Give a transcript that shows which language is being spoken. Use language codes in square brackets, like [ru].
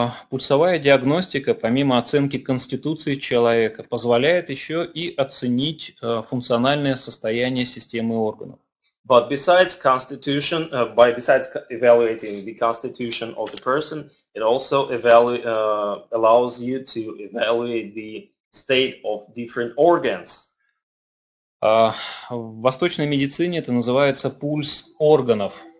[ru] Пульсовая диагностика, помимо оценки конституции человека, позволяет еще и оценить функциональное состояние системы органов. [en] But besides constitution, besides evaluating the constitution of the person, it also allows you to evaluate the state of different organs. [ru] В восточной медицине это называется пульс органов.